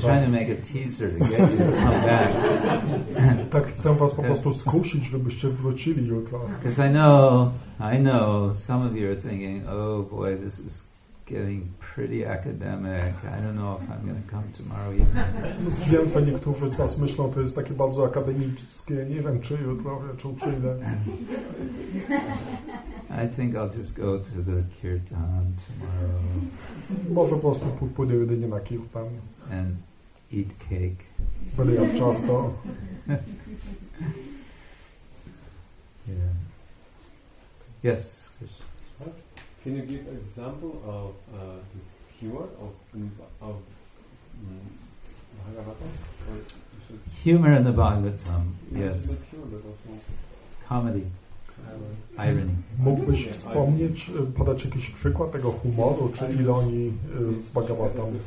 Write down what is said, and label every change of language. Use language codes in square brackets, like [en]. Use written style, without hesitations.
[en] Trying to make a teaser to get you to come back. [pl] Tak chcę was po prostu skusić, żebyście wrócili jutro. [en] Because I know, some of you are thinking, oh boy, this is getting pretty academic. I don't know if I'm going to come tomorrow evening. [pl] Wiem, że niektórzy z was myślą, to jest takie bardzo akademickie. Nie wiem, czy jutro wieczór przyjdę. [en] I think I'll just go to the kirtan tomorrow. [pl] Może po prostu pójdę jedynie na kirtan. [en] And eat cake. [pl] Będę jadł ciasto. [en] Yeah. Yes. Can you give an example of this humor of Bhagavatam? Humor in the Bhagavatam, yes. Comedy. Irony. [pl] Mógłbyś wspomnieć, podać jakiś przykład tego humoru, czy ironii w Bhagavatam?